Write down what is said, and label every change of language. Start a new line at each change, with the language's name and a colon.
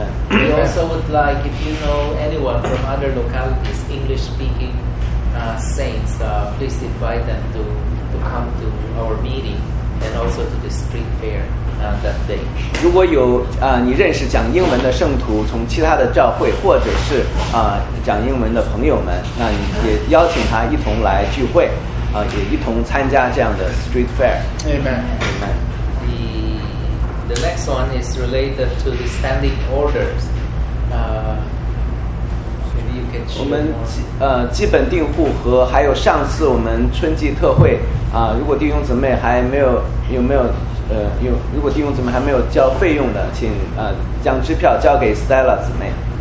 English: We also would like, if you know anyone from other localities, English-speaking saints, please invite them to come to our meeting and also to the street fair that day.
Chinese: 如果有你认识讲英文的圣徒，从其他的教会或者是讲英文的朋友们，那你也邀请他一同来聚会，也一同参加这样的 street fair.
English: Amen. Amen. The next one is related to the standing orders. Maybe you can share.
Chinese: 我们基本订户和还有上次我们春季特会如果弟兄姊妹还没有有没有有如果弟兄姊妹还没有交费用的，请将支票交给 Stella 姊妹。